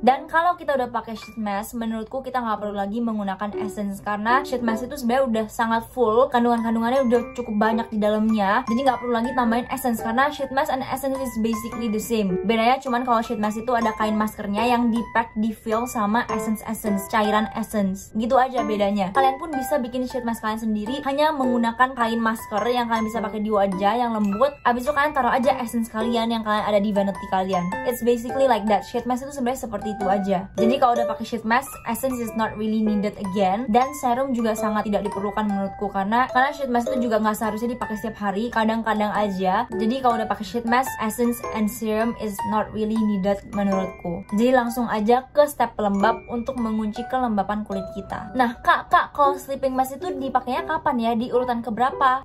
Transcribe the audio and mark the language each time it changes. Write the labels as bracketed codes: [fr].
[id] Dan kalau kita udah pakai [en] sheet mask, menurutku kita nggak perlu lagi menggunakan essence, karena sheet mask itu sebenarnya udah sangat full, kandungan-kandungannya udah cukup banyak di dalamnya, jadi nggak perlu lagi tambahin essence, karena sheet mask and essence is basically the same. [id] Bedanya cuman kalau sheet mask itu ada kain maskernya yang dipack, di-fill sama essence-essence, cairan essence. Gitu aja bedanya. Kalian pun bisa bikin sheet mask kalian sendiri hanya menggunakan kain masker yang kalian bisa pakai di wajah yang lembut. Abis itu kalian taruh aja essence kalian yang kalian ada di vanity kalian. [en] It's basically like that. Sheet mask [id] itu sebenarnya seperti itu aja. Jadi kalau udah pakai [en] sheet mask, essence is not really needed again. [id] Dan serum juga sangat tidak diperlukan menurutku, karena sheet mask itu juga nggak seharusnya dipakai setiap hari, kadang-kadang aja. Jadi kalau udah pakai sheet mask, [en] essence and serum is not really needed [id] menurutku. Jadi langsung aja ke step pelembab untuk mengunci kelembapan kulit kita. Nah, kak, kalau sleeping mask itu dipakainya kapan ya? Di urutan keberapa?